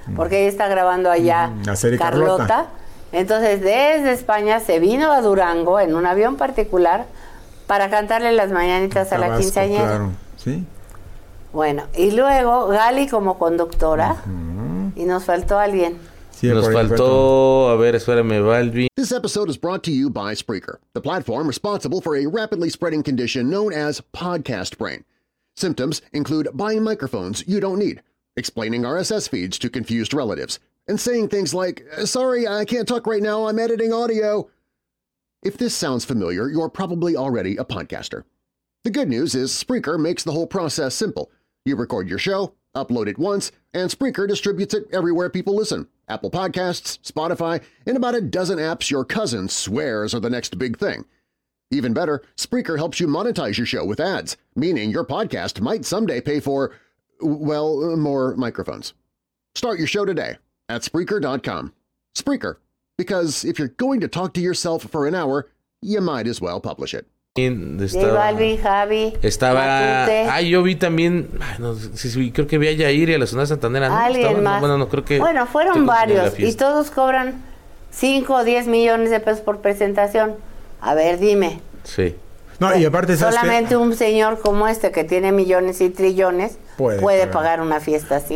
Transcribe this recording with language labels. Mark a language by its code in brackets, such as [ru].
[es] porque ella está grabando allá la serie Carlota. Entonces, desde España se vino a Durango en un avión particular para cantarle las mañanitas Tabasco, a la quinceañera. Claro, sí. Bueno, y luego Gali como conductora, y nos faltó alguien. [en] This episode is brought to you by Spreaker, the platform responsible for a rapidly spreading condition known as podcast brain. Symptoms include buying microphones you don't need, explaining RSS feeds to confused relatives, and saying things like, "Sorry, I can't talk right now, I'm editing audio." If this sounds familiar, you're probably already a podcaster. The good news is Spreaker makes the whole process simple. You record your show, upload it once, and Spreaker distributes it everywhere people listen. Apple Podcasts, Spotify, and about a dozen apps your cousin swears are the next big thing. Even better, Spreaker helps you monetize your show with ads, meaning your podcast might someday pay for, well, more microphones. Start your show today at Spreaker.com. Spreaker, because if you're going to talk to yourself for an hour, you might as well publish it. [es] Estaba, Balvin, Javi, estaba, ah, yo vi también, no, sí, creo que vi a Yair y a la Sonora Santanera, ¿no? Alguien estaba, más. No, bueno, no, creo que bueno, fueron varios y todos cobran 5 o 10 millones de pesos por presentación. A ver, dime. Sí. No, pues, y aparte, solamente que un señor como este que tiene millones y trillones puede pagar una fiesta así.